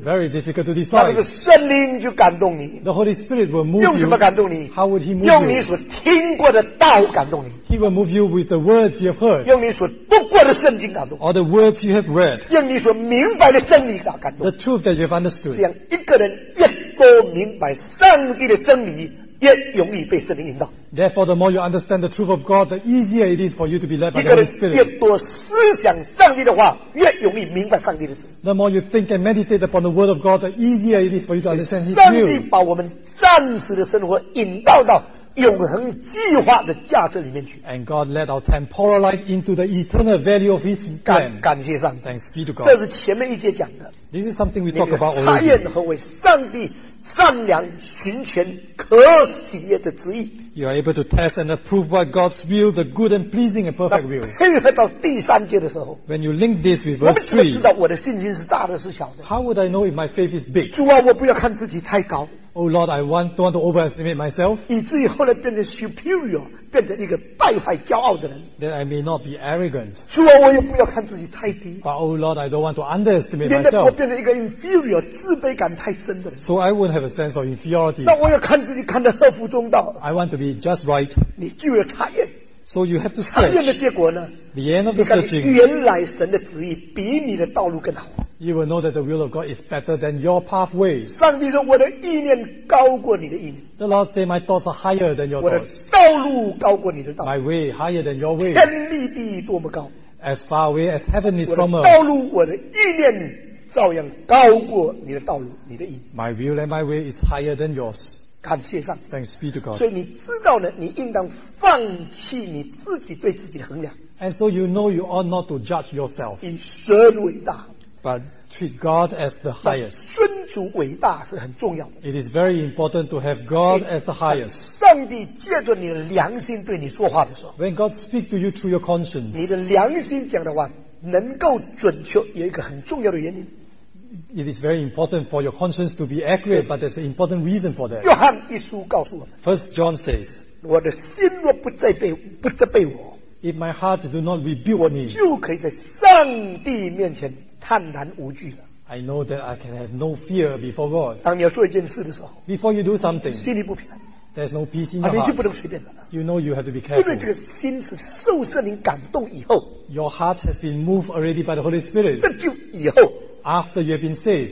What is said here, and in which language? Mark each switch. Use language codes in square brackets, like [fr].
[en] very difficult to decide, [zh] 那个圣灵就感动你, [en] the Holy Spirit will move [zh] 用什么感动你, [en] you. How would He move [zh] 用你所听过的道感动你, [en] you? He will move you with the words you have heard, [zh] 用你所读过的圣经感动, [en] or the words you have read, [zh] 用你所明白的真理感动, [en] the truth that you have understood. [zh] 这样一个人越多明白上帝的真理, [en] yet [zh] 容易被圣灵引导。 [en] Therefore, the more you understand the truth of God, the easier it is for you to be led by the Holy Spirit. [zh] 一个人越多思想上帝的话，越容易明白上帝的旨。 [en] The more you think and meditate upon the Word of God, the easier it is for you to understand His will. [zh] 上帝把我们暂时的生活引导到永恒计划的价值里面去。 [en] And God led our temporal life into the eternal value of His plan. [zh] 感谢上帝。 [en] Thanks be to God. [zh] 这是前面一节讲的。 [en] This is something we talk about already. [zh] 那个查验何为上帝善良寻全可喜悦的旨意。 [en] You are able to test and approve by God's will, the good and pleasing and perfect will. [zh] 配合到第三节的时候。 [en] When you link this with verse 3, [zh] 我怎么知道我的信心是大的是小的？ [en] How would I know if my faith is big? [zh] 主啊，我不要看自己太高。 [en] Oh Lord, I don't want to overestimate myself. [zh] 以至于后来变成 superior, 变成一个败坏骄傲的人。 [en] Then I may not be arrogant. [zh] 主啊，我也不要看自己太低。 [en] But oh Lord, I don't want to underestimate myself. [zh] 我变成一个 inferior, 自卑感太深的人。 [en] So I wouldn't have a sense of inferiority. [zh] 那我要看自己看得合乎中道。 [en] I want to be just right. [zh] 你就要查验。 [en] So you have to search. [zh] 查验的结果呢？ [en] The end of the searching. [zh] 原来神的旨意比你的道路更好。 [en] You will know that the will of God is better than your pathway. [zh] 上帝说我的意念高过你的意念。 [en] The Lord said, my thoughts are higher than your thoughts. [zh] 我的道路高过你的道路。 [en] My way higher than your way. [zh] 天立地多么高。 [en] As far away as heaven is from earth. [zh] 我的道路我的意念照样高过你的道路你的意念。 [en] My will and my way is higher than yours. [zh] 感谢上帝。 [en] Thanks be to God. [zh] 所以你知道呢，你应当放弃你自己对自己的衡量。 [en] And so you know you ought not to judge yourself. [zh] 以神为大。 [en] But treat God as the highest. [zh] 尊主伟大是很重要的。 [en] It is very important to have God as the highest. [zh] 上帝借着你的良心对你说话的时候。 [en] When God speaks to you through your conscience. [zh] 你的良心讲的话能够准确有一个很重要的原因。 [en] It is very important for your conscience to be accurate, but there's an important reason for that. [zh] 约翰一书告诉我们。 [en] First John says. [zh] 我的心若不责备我。 [en] If my heart do not rebuke me. [zh] 就可以在上帝面前。坦然无惧了。 [en] I know that I can have no fear before God. [zh] 当你要做一件事的时候 [en] ，before you do something， [zh] 心里不平安。 [en] There's no peace in your heart. [zh] 你就不能随便的。 [en] You know you have to be careful. [zh] 因为这个心是受圣灵感动以后 [en] ，Your heart has been moved already by the Holy Spirit. [zh] 那就以后 [en] ，After you have been saved，